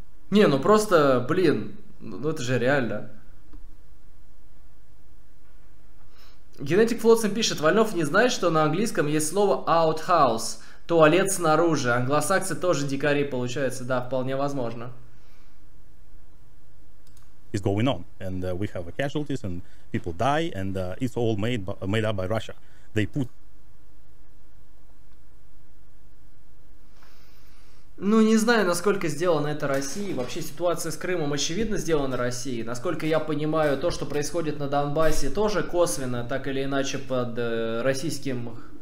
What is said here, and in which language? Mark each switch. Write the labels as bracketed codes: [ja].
[ru] Не, ну просто, блин, ну это же реально. Genetic Flotsam пишет, Вольнов, не знаешь, что на английском есть слово outhouse, туалет снаружи. Англосаксы тоже дикари, получается, да, вполне возможно. [en] It's going on, and we have casualties, and people die, and it's all made up by Russia. They put... [ru] Ну, не знаю, насколько сделано это Россией. Вообще, ситуация с Крымом очевидно сделана Россией. Насколько я понимаю, то, что происходит на Донбассе, тоже косвенно, так или иначе, под российским...